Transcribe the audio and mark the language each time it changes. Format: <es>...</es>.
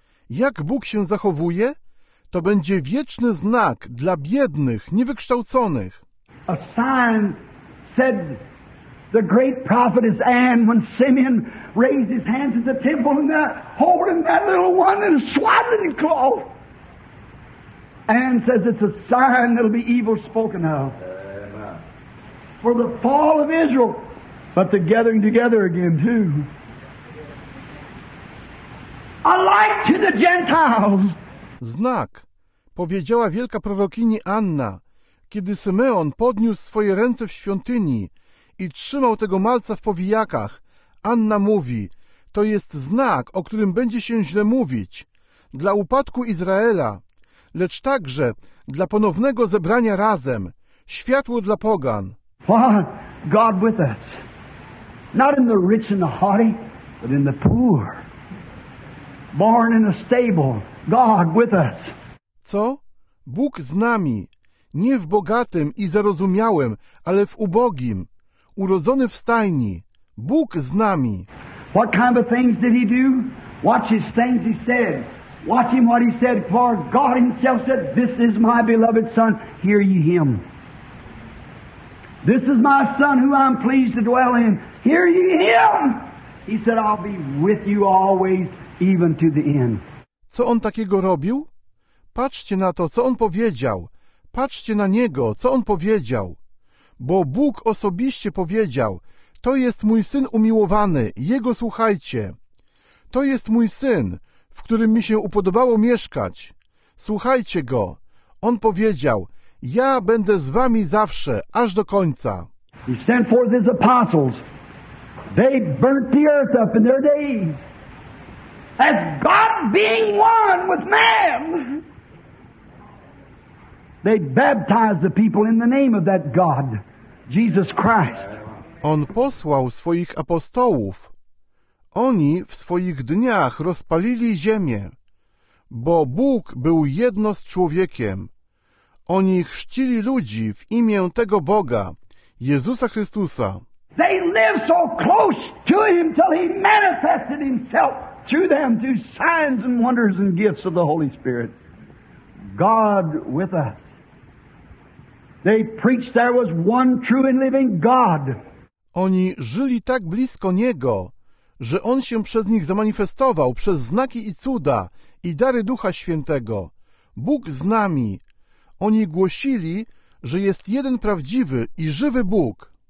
<pl>Jak Bóg się zachowuje, to będzie wieczny znak dla biednych, niewykształconych.</pl> <en>A sign said the great prophetess Anne when Simeon raised his hands at the temple and holding that little one in a swaddling cloth. Anne says it's a sign that'll be evil spoken of. For the fall of Israel, but the gathering together again too. A light to the Gentiles.</en> <pl>Znak, powiedziała wielka prorokini Anna, kiedy Symeon podniósł swoje ręce w świątyni i trzymał tego malca w powijakach. Anna mówi, to jest znak, o którym będzie się źle mówić, dla upadku Izraela, lecz także dla ponownego zebrania razem, światło dla pogan.</pl> <en>What? God with us. Not in the rich and the haughty, but in the poor. Born in a stable, God with us.</en> <pl>Co? Bóg z nami. Nie w bogatym i zarozumiałym, ale w ubogim. Urodzony w stajni. Bóg z nami.</pl> <en>What kind of things did he do? Watch his things he said. Watch him what he said. For God himself said, this is my beloved son. Hear ye him. This is my son who I'm pleased to dwell in. Hear ye him. He said, I'll be with you always. Even to the end.</en> <pl>Co on takiego robił? Patrzcie na to, co on powiedział. Patrzcie na niego, co on powiedział. Bo Bóg osobiście powiedział, to jest mój syn umiłowany, jego słuchajcie. To jest mój syn, w którym mi się upodobało mieszkać. Słuchajcie go. On powiedział, ja będę z wami zawsze, aż do końca.</pl> <en>He sent forth his apostles. They burnt the earth up in their days. As God being one with man, they baptized the people in the name of that God, Jesus Christ.</en> <pl>On posłał swoich apostołów. Oni w swoich dniach rozpalili ziemię. bo Bóg był jedno z człowiekiem. Oni chrzcili ludzi w imię tego Boga, Jezusa Chrystusa.</pl> <en>They lived so close to him till he manifested himself to them through signs and wonders and gifts of the Holy Spirit. God with us. They preached there was one true and living God.</en> <pl>Oni żyli tak blisko Niego, że On się przez nich zamanifestował przez znaki i cuda i dary Ducha Świętego. Bóg z nami. Oni głosili, że jest jeden prawdziwy i żywy Bóg.</pl>